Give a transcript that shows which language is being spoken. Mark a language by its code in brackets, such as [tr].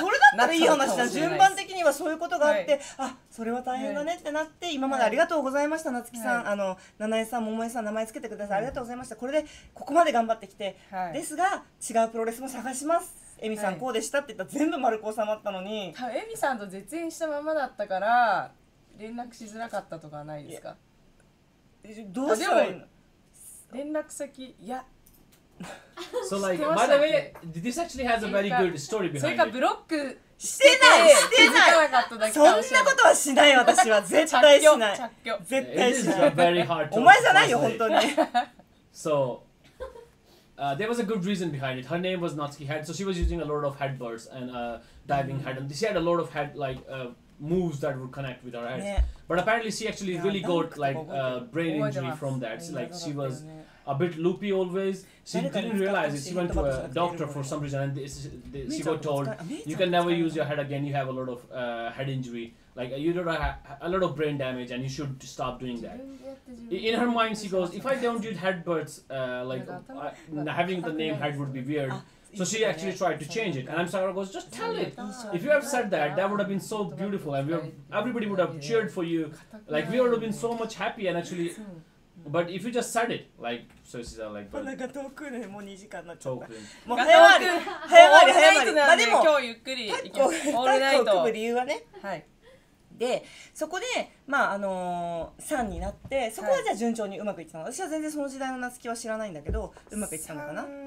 [ja] それだったらいい話だ。順番的にはそういうことがあって、はい、あそれは大変だねってなって、はい、今までありがとうございました夏希さん、はい、あの七重さん桃江さん名前つけてください、ありがとうございました、これでここまで頑張ってきて、はい、ですが違うプロレスも探します、エミさんこうでしたって言ったら、はい、全部丸く収まったのに、エミさんと絶縁したままだったから連絡しづらかったとかないですか。どうしたらいいの連絡先、いや [en] So like, by the way, this actually has a very good story behind it. [ja] それかブロックしてない、してない、そんなことはしない私は絶対しない絶対しない、お前じゃないよ本当に。 [en] So, there was a good reason behind it. Her name was Natsuki Head, so she was using a lot of headbutts and a diving head, and she had a lot of head like, moves that would connect with her head. But apparently she actually really got like a brain injury from that. So, like she was a bit loopy always. She didn't realize it. She went to a doctor for some reason and she got told you can never use your head again. You have a lot of head injury. Like you don't have a lot of brain damage and you should stop doing that. In her mind she goes, if I don't use headbutts, like having the name head would be weird. So she actually tried to change it, and I'm sorry, I was just tell it. If you have said that, that would have been so beautiful, and everybody would have cheered for you. Like, we would have been so much happy, and actually, but if you just said it, like, so she's like, but. [ja] なんか遠くね、もう2時間になっちゃった。遠くね。もう早まり、早まり、早まり。まあでも、今日ゆっくり行きます。オールナイト。タッグを組む理由はね。はい。で、そこで、まあ、3になって、そこはじゃあ順調にうまくいったの、はい、私は全然その時代の夏希は知らないんだけど、うまくいったのかな。